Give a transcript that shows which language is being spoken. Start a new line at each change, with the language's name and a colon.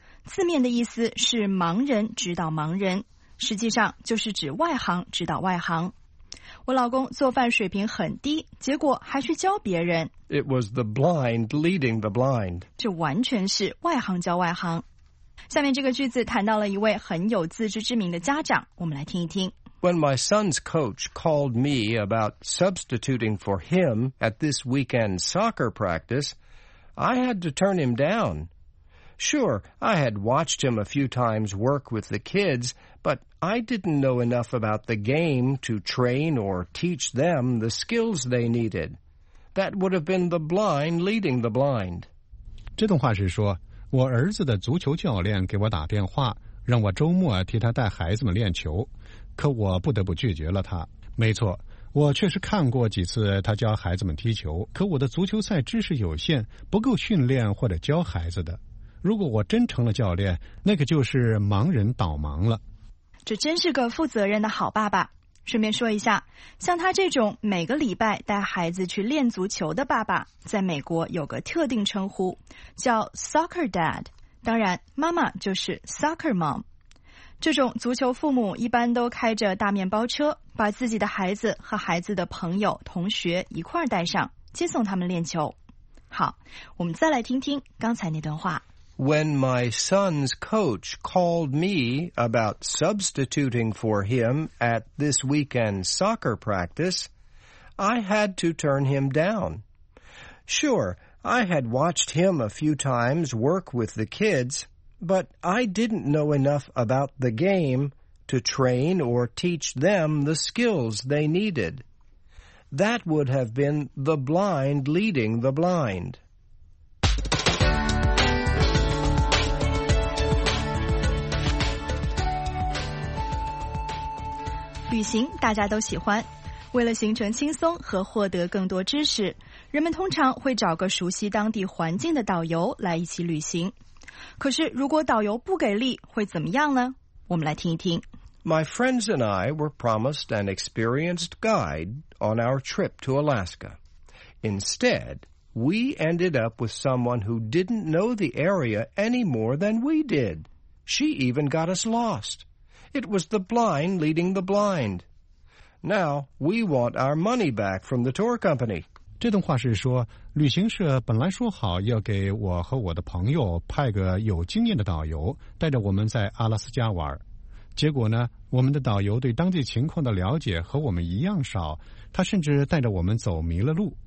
Chinese: 字面的意思是盲人指导盲人，实际上就是指外行指导外行。我老公做饭水平很低，结果还去教别人。
English: It was the blind leading the blind.
Chinese: 这完全是外行教外行。下面这个句子谈到了一位很有自知之明的家长，我们来听一听。
English: When my son's coach called me about substituting for him at this weekend soccer practice, I had to turn him down. Sure, I had watched him a few times work with the kids, but... I didn't know enough about the game to train or teach them the skills they needed. That would have been the blind leading the blind.
Chinese: 这段话是说，我儿子的足球教练给我打电话，让我周末替他带孩子们练球，可我不得不拒绝了他。没错，我确实看过几次他教孩子们踢球，可我的足球赛知识有限，不够训练或者教孩子的。如果我真成了教练，那可就是盲人导盲了。这真是个负责任的好爸爸。顺便说一下，像他这种每个礼拜带孩子去练足球的爸爸，在美国有个特定称呼，叫 soccer dad。当然，妈妈就是 soccer mom。这种足球父母一般都开着大面包车，把自己的孩子和孩子的朋友、同学一块儿带上，接送他们练球。好，我们再来听听刚才那段话。
English: When my son's coach called me about substituting for him at this weekend soccer practice, I had to turn him down. Sure, I had watched him a few times work with the kids, but I didn't know enough about the game to train or teach them the skills they needed. That would have been the blind leading the blind.
Chinese: 旅行大家都喜欢，为了行程轻松和获得更多知识，人们通常会找个熟悉当地环境的导游来一起旅行。可是如果导游不给力会怎么样呢？我们来听一听。
English: My friends and I were promised an experienced guide on our trip to Alaska. Instead, we ended up with someone who didn't know the area any more than we did. She even got us lost. It was the blind leading the blind. Now, we want our money back from the tour company.
Chinese: 这段话是说，旅行社本来说好要给我和我的朋友派个有经验的导游，带着我们在阿拉斯加玩。结果呢，我们的导游对当地情况的了解和我们一样少，他甚至带着我们走迷了路。